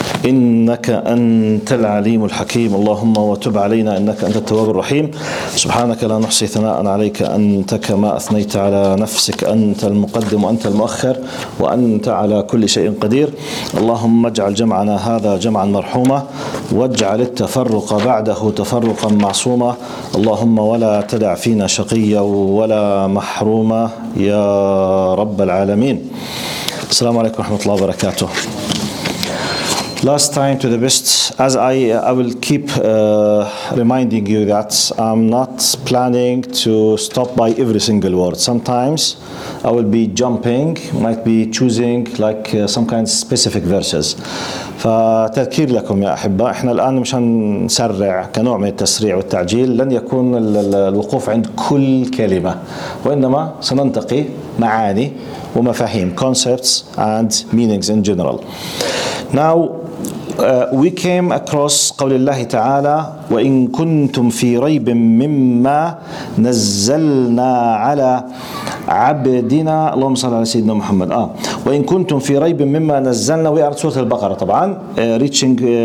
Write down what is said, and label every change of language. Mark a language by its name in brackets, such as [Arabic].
[Arabic] إنك أنت العليم الحكيم اللهم وتب علينا إنك أنت التواب الرحيم سبحانك لا نحصي ثناء عليك أنت كما أثنيت على نفسك أنت المقدم وأنت المؤخر وأنت على كل شيء قدير اللهم اجعل جمعنا هذا جمعا مرحوما واجعل التفرق بعده تفرقا معصوما اللهم ولا تدع فينا شقيا ولا محروما يا رب العالمين السلام عليكم ورحمة الله وبركاته. [English] Last time to the best, as I will keep reminding you that I'm not planning to stop by every single word. Sometimes I will be jumping, might be choosing like some kind of specific verses. [Arabic] فتذكير لكم يا أحبة إحنا الآن مشان نسرع كنوع من التسريع والتعجيل لن يكون الوقوف عند كل كلمة وإنما سننتقي معاني ومفاهيم [English] concepts and meanings in general. Now we came across [Arabic] قول الله تعالى وإن كنتم في ريب مما نزلنا على عبدنا اللهم صل على سيدنا محمد وإن كنتم في ريب مما نزلنا [English] we are [Arabic] سورة البقرة طبعا [English] reaching